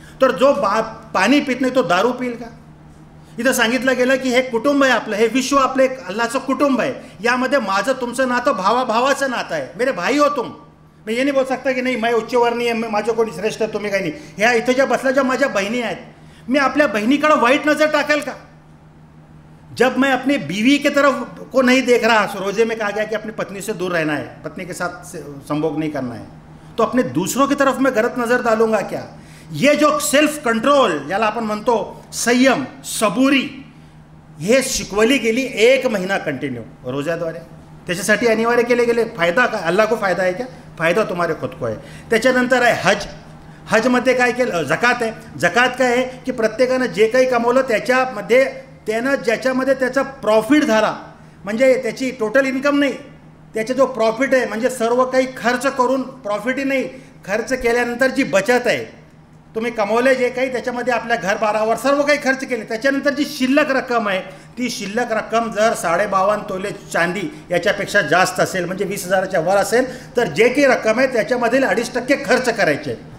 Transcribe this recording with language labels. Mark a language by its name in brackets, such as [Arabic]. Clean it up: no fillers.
[Marathi] तर जो पाणी पित नाही तो दारू पिईल का. इथं सांगितलं गेलं की हे कुटुंब आहे आपलं, हे विश्व आपलं एक अल्लाचं कुटुंब आहे, यामध्ये माझं तुमचं नातं भावाभावाचं नातं आहे. [Hindi] मेरे भाई हो तुम, [Marathi] मी येणे बोलू सकता की नाही मी उच्चवर्णीय, माझं कोणी श्रेष्ठ तुम्ही काही नाही. ह्या इथं ज्या बसल्या ज्या माझ्या बहिणी आहेत, मी आपल्या बहिणीकडं वाईट नजर टाकेल का. [Hindi] जब मैं अपनी बीवी के तरफ को नहीं देख रहा, रोजे में कहा गया कि अपनी पत्नी से दूर रहना है, पत्नी के साथ संभोग नहीं करना है, तो अपने दूसरों की तरफ मैं गलत नजर डालूंगा क्या. [Marathi] ये जो सेल्फ कंट्रोल ज्याला आपण म्हणतो संयम सबुरी, हे शिकवली गेली एक महिना कंटिन्यू रोज्याद्वारे. त्याच्यासाठी अनिवार्य केले गेले, फायदा काय, [Hindi] अल्लाह को फायदा आहे क्या, फायदा तुम्हारे खुद को आहे. [Marathi] त्याच्यानंतर आहे हज. हज मध्ये काय केलं, जकात आहे. जकात काय आहे की प्रत्येकानं जे काही कमवलं त्याच्यामध्ये त्यानं ज्याच्यामध्ये त्याचा प्रॉफिट झाला, म्हणजे त्याची टोटल इन्कम नाही, त्याचा जो प्रॉफिट आहे म्हणजे सर्व काही खर्च करून प्रॉफिटही नाही, खर्च केल्यानंतर जी बचत आहे, तुम्ही कमवले जे काही त्याच्यामध्ये आपल्या घरबारावर सर्व काही खर्च केले, त्याच्यानंतर जी शिल्लक रक्कम आहे, ती शिल्लक रक्कम जर 52.5 तोले चांदी याच्यापेक्षा जास्त असेल, म्हणजे 20,000 वर असेल, तर जे काही रक्कम आहे त्याच्यामधील 2.5% खर्च करायचे.